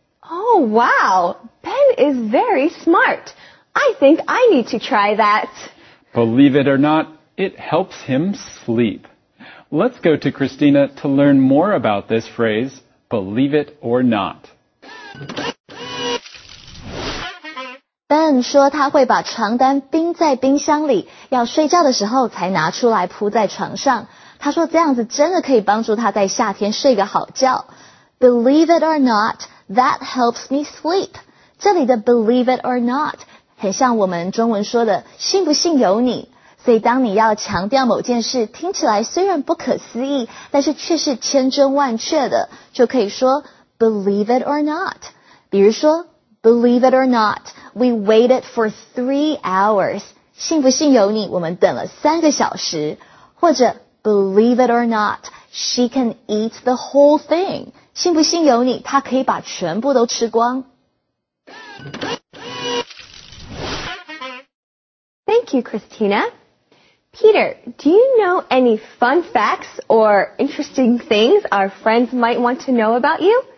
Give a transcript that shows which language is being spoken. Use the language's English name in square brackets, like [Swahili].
[English] Oh, wow. Ben is very smart. I think I need to try that. Believe it or not, it helps him sleep. Let's go to Christina to learn more about this phrase, believe it or not. [Chinese] Ben 说他会把床单冰在冰箱里，要睡觉的时候才拿出来铺在床上。他说这样子真的可以帮助他在夏天睡个好觉。 [English] Believe it or not, that helps me sleep. [Chinese] 这里的 believe it or not 很像我们中文说的信不信由你。所以当你要强调某件事听起来虽然不可思议，但是却是千真万确的，就可以说 believe it or not. 比如说 [English] believe it or not, we waited for 3 hours. [Chinese] 信不信由你，我们等了三个小时。或者 [English] believe it or not, she can eat the whole thing. [Chinese] 信不信由你，她可以把全部都吃光。 [English] Thank you, Christina. Peter, do you know any fun facts or interesting things our friends might want to know about you?